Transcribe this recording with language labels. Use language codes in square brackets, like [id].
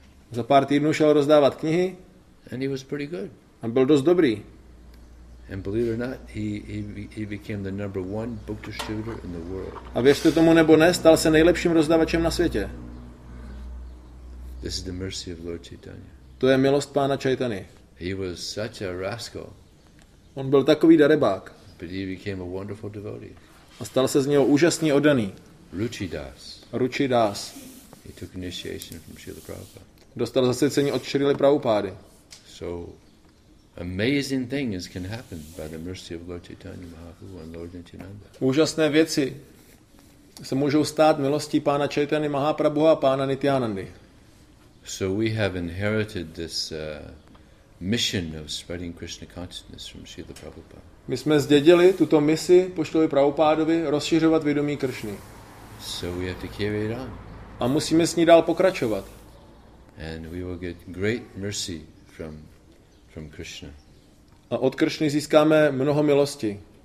[cs] Za pár týdnů šel rozdávat knihy a byl dost dobrý. [en] And believe it or not, he became the number one book distributor in the world. [cs] A věřte tomu nebo ne, stal se nejlepším rozdavačem na světě. [en] This is the mercy of Lord Chaitanya. [cs] To je milost pána Chaitany. [en] He was such a rascal. [cs] On byl takový darebák. [en] But he became a wonderful devotee. [cs] A stal se z něho úžasně oddaný. [en] Ruchidas. [cs] Ruchidas. [en] He took initiation from Srila Prabhupada. [cs] Dostal zasvěcení od Srily Prabhupády. [en] So amazing things can happen by the mercy of Lord Chaitanya Mahaprabhu and Lord Nityananda. [cs] Úžasné věci se můžou stát milostí pána Chaitany Mahaprabhu a pána Nityanandy. [en] So we have inherited this mission of spreading Krishna consciousness from Srila Prabhupada. [cs] My jsme zdědili tuto misi po Srili Prabhupádovi rozšiřovat vědomí Kršny. [en] So we have to carry it on. [cs] A musíme s ní dál pokračovat. [en] And we will get great mercy from Krishna. [cs] A od Kršny získáme mnoho milosti.